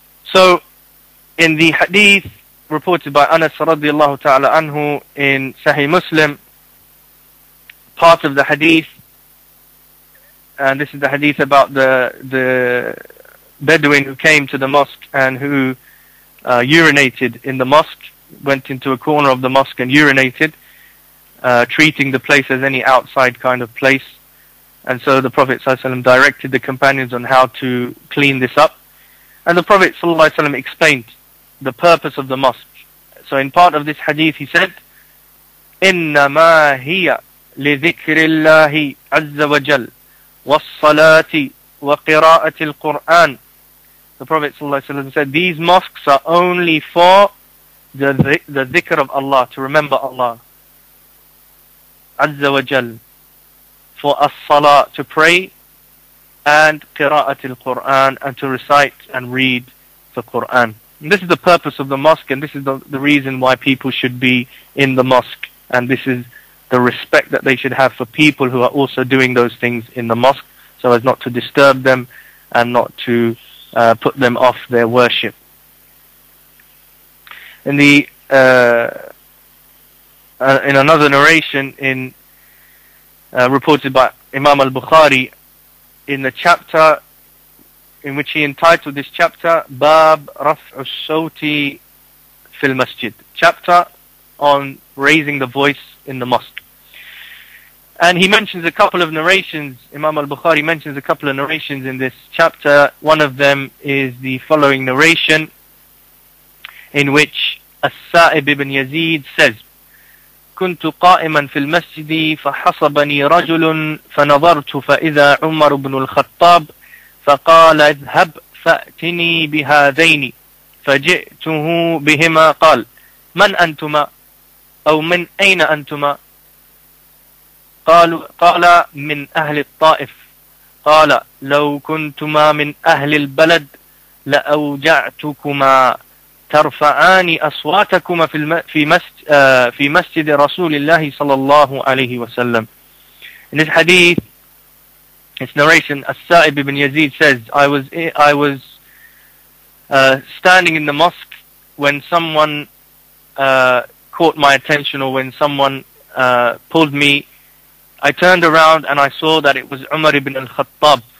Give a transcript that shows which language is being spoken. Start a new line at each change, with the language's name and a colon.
English: So, in the hadith reported by Anas radiallahu ta'ala anhu in Sahih Muslim, part of the hadith, and this is the hadith about the Bedouin who came to the mosque and who urinated in the mosque, went into a corner of the mosque and urinated, treating the place as any outside kind of place. And so the Prophet ﷺ directed the companions on how to clean this up. And the Prophet ﷺ explained the purpose of the mosque. So in part of this hadith he said,
Arabic: إِنَّمَا هِيَ لِذِكْرِ اللَّهِ عَزَّ وَجَلْ وَالصَّلَاةِ وَقِرَاءَةِ الْقُرْآنِ.
English: The Prophet ﷺ said, these mosques are only for the dhikr of Allah, to remember Allah. Azza wa Jal. For as-salah, to pray, and qira'at al-Qur'an, and to recite and read the Qur'an. And this is the purpose of the mosque, and this is the reason why people should be in the mosque. And this is the respect that they should have for people who are also doing those things in the mosque, so as not to disturb them and not to put them off their worship. In the in another narration in reported by Imam al-Bukhari, in the chapter in which he entitled this chapter
Arabic: Bab Raf'u Shawti Fil Masjid,
English: chapter on raising the voice in the mosque, and he mentions a couple of narrations. Imam al-Bukhari mentions a couple of narrations in this chapter. One of them is the following narration, in which As-Sa'ib ibn Yazid says,
Arabic: كنت قائما في المسجد فحصبني رجل فنظرت فإذا عمر بن الخطاب فقال اذهب فأتني بهذين فجئته بهما قال من أنتما أو من أين أنتما قال من أهل الطائف قال لو كنتما من أهل البلد لأوجعتكما ترفعان أصواتكما في مسجد رسول الله صلى الله عليه وسلم.
English: In this hadith, its narration, As-Sa'ib ibn Yazid says, I was standing in the mosque when someone caught my attention, or when someone pulled me. I turned around and I saw that it was Umar ibn al-Khattab.